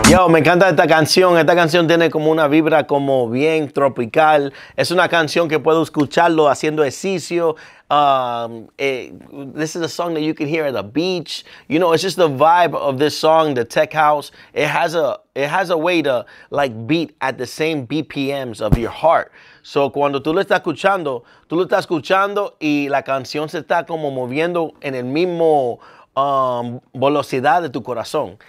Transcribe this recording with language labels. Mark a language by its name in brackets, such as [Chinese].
[Spanish] Me encanta esta canción. Esta canción tiene como una vibra como bien tropical. Es una canción que puedo escucharlo haciendo ejercicio. [English] This is a song that you can hear at the beach. You know, it's just the vibe of this song, the tech house. It has a way to like beat at the same BPMs of your heart. [Spanish] So cuando tú lo estás escuchando y la canción se está como moviendo en el mismo velocidad de tu corazón.